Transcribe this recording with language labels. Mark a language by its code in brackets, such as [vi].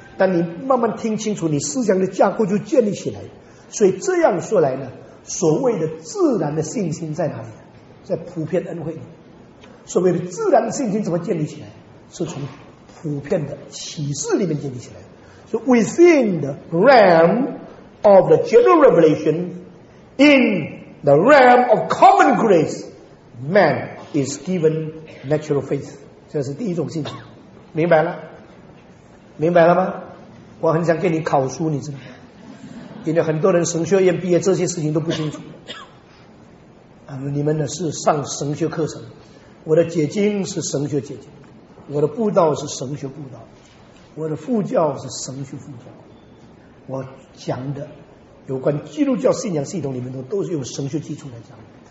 [zh] 当你慢慢听清楚，你思想的架构就建立起来。所以这样说来呢，所谓的自然的信心在哪里？在普遍恩惠里。所谓的自然的信心怎么建立起来？是从普遍的启示里面建立起来。 [en] So within the realm of the general revelation in the realm of common grace, man is given natural faith. [zh] 这是第一种信心，明白了？明白了吗？我很想给你考书，你知道吗？因为很多人神学院毕业，这些事情都不清楚。你们呢是上神学课程，我的解经是神学解经，我的布道是神学布道，我的副教是神学副教，我讲的有关基督教信仰系统里面都是用神学基础来讲的。